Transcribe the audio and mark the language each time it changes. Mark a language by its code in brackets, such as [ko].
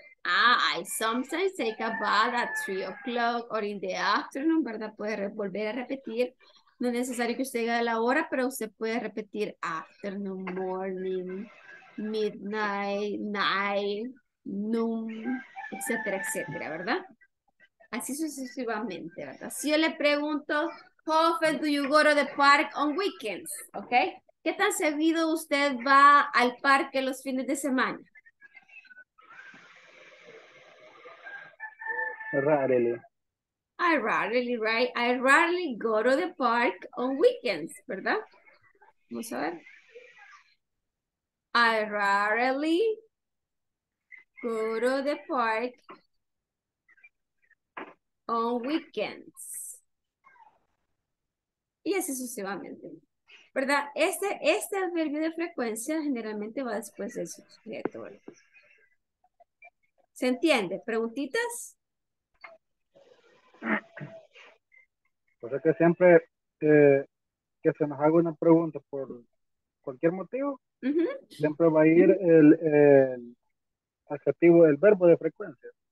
[en] I sometimes take a bath at 3 o'clock or in the afternoon, [es] ¿verdad? Puede volver a repetir. No es necesario que usted diga la hora, pero usted puede repetir [en] afternoon, morning, midnight, night, noon, [es] etcétera, etcétera, ¿verdad? Así sucesivamente, ¿verdad? Si yo le pregunto, [en] how often do you go to the park on weekends? ¿Ok? [es] ¿Qué tan seguido usted va al parque los fines de semana? [en] Rarely. I rarely, right? I rarely go to the park on weekends, [es] ¿verdad? Vamos a ver. [en] I rarely go to the park on weekends. [es] Y así sucesivamente, ¿verdad? Este adverbio de frecuencia generalmente va después del sujeto. ¿Se entiende? ¿Preguntitas? Pues es que siempre que se nos haga una pregunta por cualquier motivo, siempre va a ir el adjetivo, el verbo de frecuencia.